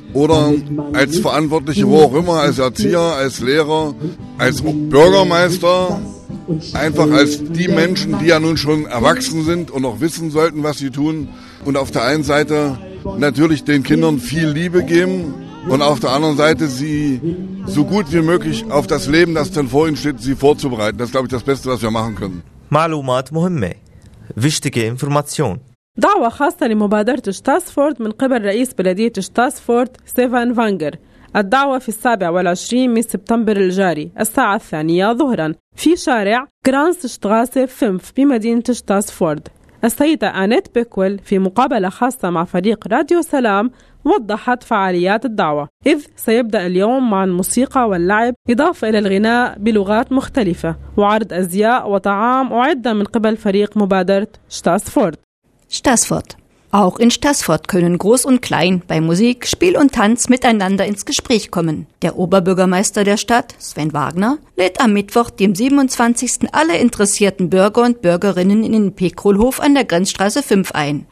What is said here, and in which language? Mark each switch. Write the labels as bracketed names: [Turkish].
[German] Oder als Verantwortliche, wo auch immer, als Erzieher, als Lehrer, als Bürgermeister, einfach als die Menschen, die ja nun schon erwachsen sind und auch wissen sollten, was sie tun. Und auf der einen Seite natürlich den Kindern viel Liebe geben und auf der anderen Seite sie so gut wie möglich auf das Leben, das dann vor ihnen steht, sie vorzubereiten. Das ist, glaube ich, das Beste, was wir machen können. [Arabic] معلومات مهمة. [German] Wichtige Information. [Arabic] دعوة خاصة لمبادرة شتاسفورد من قبل رئيس بلدية شتاسفورد ستيفان فانجر. الدعوة في 27 من سبتمبر الجاري الساعة 2 ظهرا في شارع كرانس شتغاسة 5 بمدينة شتاسفورد. السيدة آنيت بيكويل في مقابلة خاصة مع فريق راديو سلام وضحت فعاليات الدعوة، إذ سيبدأ اليوم مع الموسيقى واللعب إضافة إلى الغناء بلغات مختلفة وعرض أزياء وطعام وعدة من قبل فريق مبادرة شتاسفورد. شتاسفورد. [German] Auch in Stassfurt können Groß und Klein bei Musik, Spiel und Tanz miteinander ins Gespräch kommen. Der Oberbürgermeister der Stadt, Sven Wagner, lädt am Mittwoch, dem 27. alle interessierten Bürger und Bürgerinnen in den Pekrolhof an der Grenzstraße 5 ein.